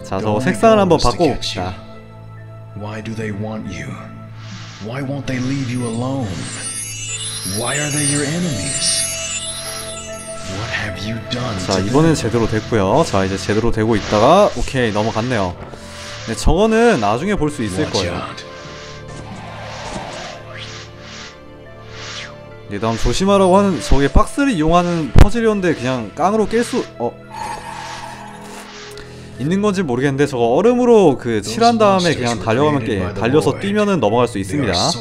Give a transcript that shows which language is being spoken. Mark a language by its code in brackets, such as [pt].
[ko] 자, 저 색상을 한번 바꿔봅시다. [en] Why do they want you? Why won't they leave you alone? Why are they your enemies? What have you done? [ko] 자, 이번엔 제대로 됐고요. 자, 이제 제대로 되고 있다가 오케이, 넘어갔네요. 네, 저거는 나중에 볼 수 있을 거예요. 네, 다음 조심하라고 하는 저게 박스를 이용하는 퍼즐이었는데 그냥 깡으로 깰 수 어 있는 건지 모르겠는데 저거 얼음으로 그 칠한 다음에 그냥 달려가면 깨 달려서 뛰면은 넘어갈 수 있습니다.